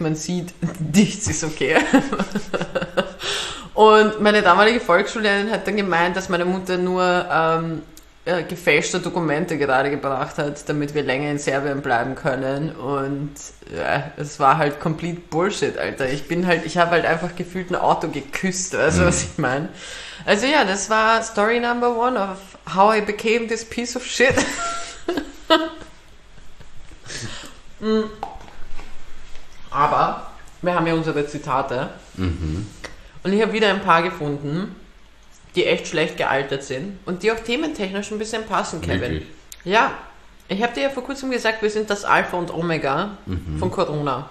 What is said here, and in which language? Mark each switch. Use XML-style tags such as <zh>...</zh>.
<de>Man sieht, nichts ist okay. Und meine damalige Volksschullehrerin hat dann gemeint, dass meine Mutter nur gefälschte Dokumente gerade gebracht hat, damit wir länger in Serbien bleiben können. Und ja, es war halt</de> <en>complete</en> <de>Bullshit, Alter. Ich habe halt einfach gefühlt ein Auto geküsst, weißt du, was ich meine? Also ja, das war</de> <en>Story Number One of how I became this piece of shit.</en> <de>Aber wir haben ja unsere Zitate. Und ich habe wieder ein paar gefunden, die echt schlecht gealtert sind und die auch thementechnisch ein bisschen passen, Kevin. Wirklich? Ja, ich habe dir ja vor kurzem gesagt, wir sind das Alpha und Omega von Corona.</de>